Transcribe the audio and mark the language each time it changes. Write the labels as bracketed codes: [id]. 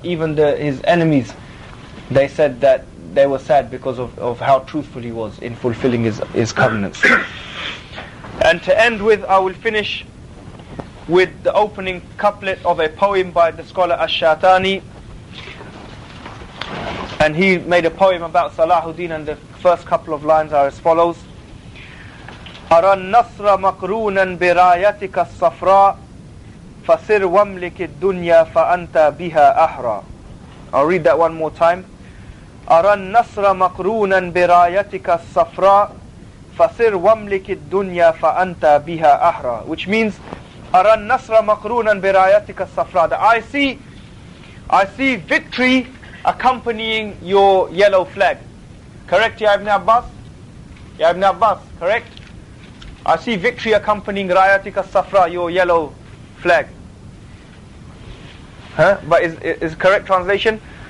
[en] Even his enemies, they said that they were sad because of how truthful he was in fulfilling his covenants. And to end with, I will finish with the opening couplet of a poem by the scholar Ash-Shatani, And he made a poem about Salahuddin, and the first couple of lines are as follows. [ar] أرى النصر مقرونا برايتك الصفراء فسر واملك الدنيا فأنت بها أحرى. [en] I'll read that one more time. [ar] أرى النصر مقرونا برايتك الصفراء فسر واملك الدنيا فأنت بها أحرى. [en] Which means [ar] أرى النصر مقرونا برايتك الصفراء. [en] I see victory accompanying your yellow flag. Correct, Ya Ibn Abbas? Ya Ibn Abbas, correct? I see victory accompanying [ar] Rayatika Safra, [en] your yellow flag. Huh? But is correct translation?